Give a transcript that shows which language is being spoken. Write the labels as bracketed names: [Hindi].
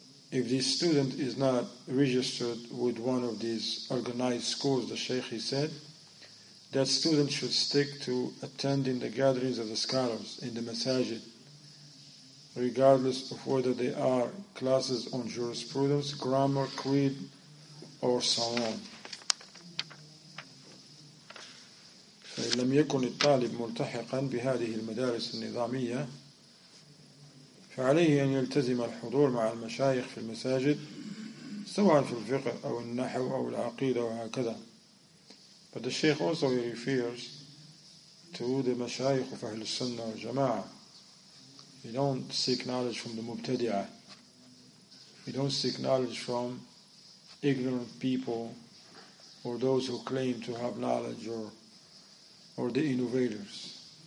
[English] If this student is not registered with one of these organized schools, the Sheikh, he said, that student should stick to attending the gatherings of the scholars in the masajid, regardless of whether they are classes on jurisprudence, grammar, creed, or so on. [Arabic] لم يكن الطالب ملتحقا بهذه المدارس النظامية فعليه أن يلتزم الحضور مع المشايخ في المساجد سواء في الفقه أو النحو أو العقيدة وهكذا. [English] But the Sheikh also refers to the مشايخ of [Arabic] أهل السنة والجماعة. [English] We don't seek knowledge from the مبتدعة. We don't seek knowledge from ignorant people or those who claim to have knowledge or the innovators.